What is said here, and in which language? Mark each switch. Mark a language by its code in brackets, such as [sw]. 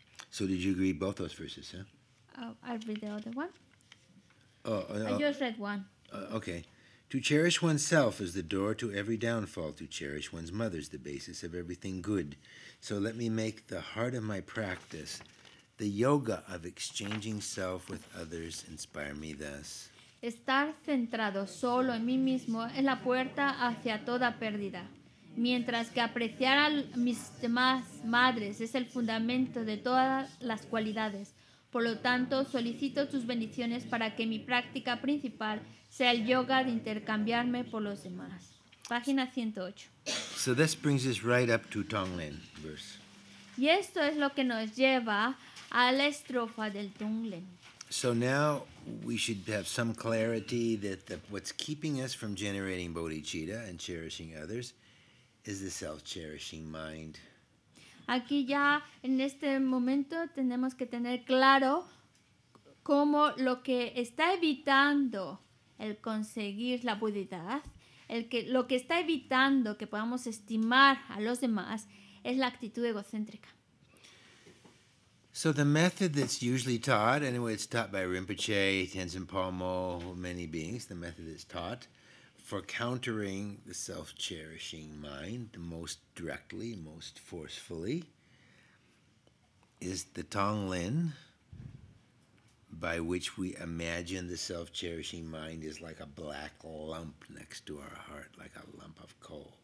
[en] So did you read both those verses, huh? Oh, I read the other one. Oh, I just read one. Okay. To cherish oneself is the door to every downfall. To cherish one's mother is the basis of everything good. So let me make the heart of my practice the yoga of exchanging self with others, inspire me thus. [es] Estar centrado solo en mí mismo es la puerta hacia toda pérdida. Mientras que apreciar a mis demás madres es el fundamento de todas las cualidades. Por lo tanto, solicito tus bendiciones para que mi práctica principal sea el yoga de intercambiarme por los demás. Página 108. [en] So this brings us right up to Tonglen verse. [es] Y esto es lo que nos lleva a la estrofa del Tonglen. [en] So now we should have some clarity that what's keeping us from generating bodhicitta and cherishing others is the self-cherishing mind. [es] Aquí ya en este momento tenemos que tener claro cómo lo que está evitando el conseguir la budhidad, lo que está evitando que podamos estimar a los demás es la actitud egocéntrica. [en] So the method that's usually taught, anyway, it's taught by Rinpoche, Tenzin Palmo, many beings, the method that's taught for countering the self-cherishing mind the most directly, most forcefully, is the Tonglen, by which we imagine the self-cherishing mind is like a black lump next to our heart, like a lump of coal.